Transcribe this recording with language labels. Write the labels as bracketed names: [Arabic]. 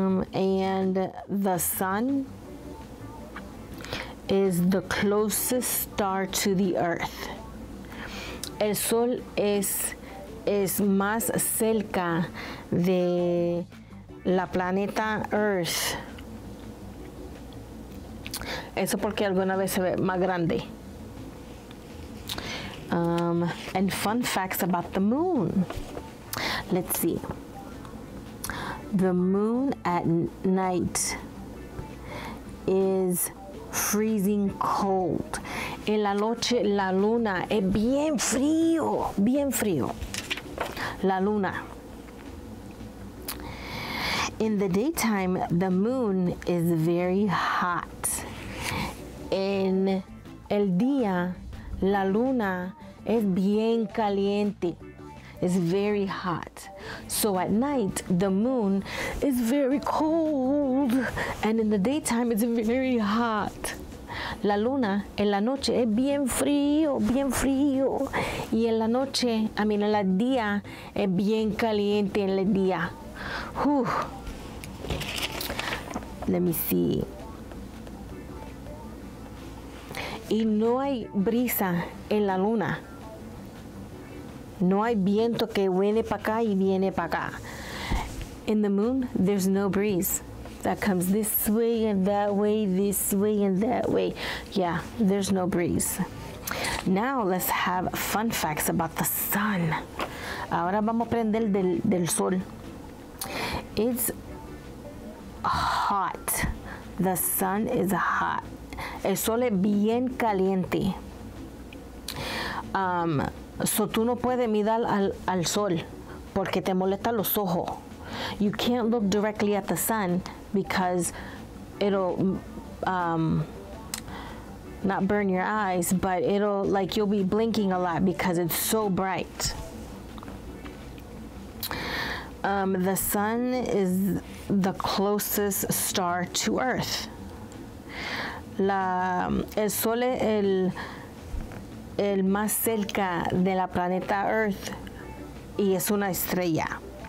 [English] And the sun is the closest star to the earth. [Spanish] El sol es más cerca de la planeta Earth. Eso porque alguna vez se ve más grande. [English] And fun facts about the moon. Let's see. The moon at night is freezing cold. [Spanish] En la noche, la luna es bien frío, bien frío. La luna. [English] In the daytime, the moon is very hot. [Spanish] En el día, la luna es bien caliente. [English] It's very hot. So at night, the moon is very cold. And in the daytime, it's very hot. [Spanish] La luna en la noche es bien frío, bien frío. Y en la noche, en la día, es bien caliente en el día. Whew. [English] Let me see. [Spanish] Y no hay brisa en la luna. No hay viento que viene para acá y viene para acá. [English] In the moon, there's no breeze that comes this way and that way, this way and that way. Yeah, there's no breeze. Now let's have fun facts about the sun. [Spanish] Ahora vamos a aprender del sol. [English] It's hot. The sun is hot. [Spanish] El sol es bien caliente. So tú no puedes mirar al sol porque te molesta los ojos. [English] You can't look directly at the sun because it'll not burn your eyes, but it'll, like, you'll be blinking a lot because it's so bright. The sun is the closest star to Earth. [Spanish] El sol es el más cerca de la planeta Earth y es una estrella.